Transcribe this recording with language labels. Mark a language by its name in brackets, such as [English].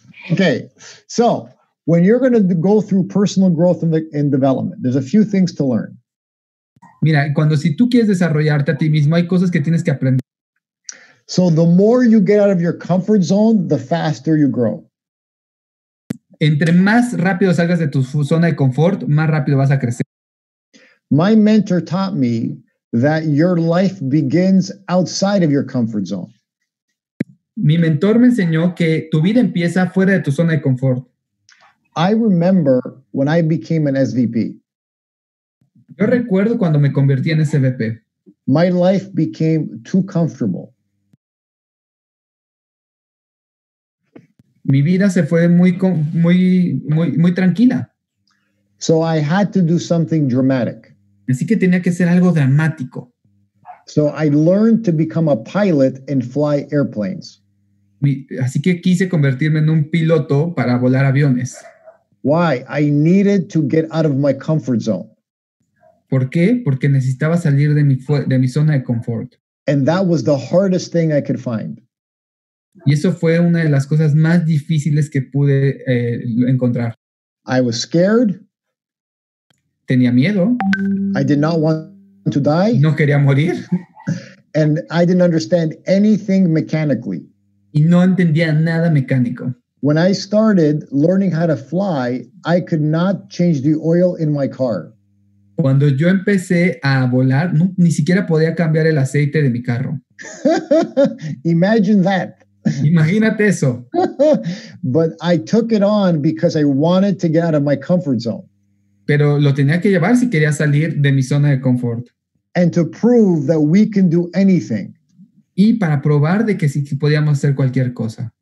[English] Okay, so when you're going to go through personal growth and development, there's a few things to learn. [Spanish] Mira, cuando si tú quieres desarrollarte a ti mismo, hay cosas que tienes que aprender. [English] So the more you get out of your comfort zone, the faster you grow. [Spanish] Entre más rápido salgas de tu zona de confort, más rápido vas a crecer. [English] My mentor taught me that your life begins outside of your comfort zone. [Spanish] Mi mentor me enseñó que tu vida empieza fuera de tu zona de confort. [English] I remember when I became an SVP. [Spanish] Yo recuerdo cuando me convertí en SVP. [English] My life became too comfortable. [Spanish] Mi vida se fue muy, muy, muy, muy tranquila. [English] So I had to do something dramatic. [Spanish] Así que tenía que hacer algo dramático. [English] So I learned to become a pilot and fly airplanes. [Spanish] Así que quise convertirme en un piloto para volar aviones. [English] Why? I needed to get out of my comfort zone. [Spanish] ¿Por qué? Porque necesitaba salir de mi zona de confort. [English] And that was the hardest thing I could find. [Spanish] Y eso fue una de las cosas más difíciles que pude encontrar. [English] I was scared. [Spanish] Tenía miedo. [English] I did not want to die. [Spanish] No quería morir. [English] And I didn't understand anything mechanically. [Spanish] Y no entendía nada mecánico. [English] When I started learning how to fly, I could not change the oil in my car. [Spanish] Cuando yo empecé a volar, no, ni siquiera podía cambiar el aceite de mi carro. [English] Imagine that. [Spanish] Imagínate eso. [English] But I took it on because I wanted to get out of my comfort zone. [Spanish] Pero lo tenía que llevar si quería salir de mi zona de confort. [English] And to prove that we can do anything. [Spanish] Y para probar de que sí que podíamos hacer cualquier cosa.